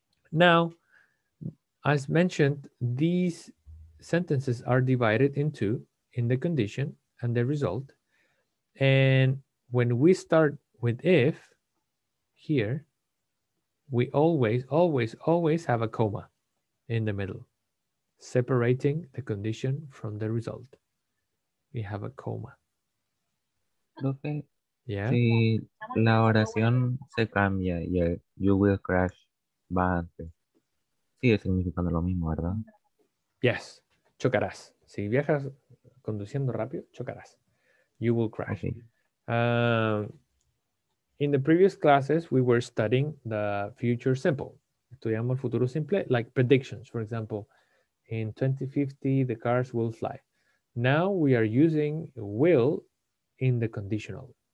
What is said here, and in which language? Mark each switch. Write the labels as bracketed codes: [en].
[en] Now, as mentioned, these sentences are divided into in the condition and the result. And when we start with if here, we always, always, always have a comma in the middle, separating the condition from the result. We have a comma. [es] Profe, [en] yeah. [es] Si la oración se cambia y el [en] you will crash [es] va antes, sigue significando lo mismo, ¿verdad? [en] Yes, [es] chocarás. Si viajas conduciendo rápido, chocarás. [en] You will crash. Okay. In the previous classes, we were studying the future simple. [es] Estudiamos el futuro simple, [en] like predictions. For example, in 2050, the cars will fly. Now we are using will in the conditional.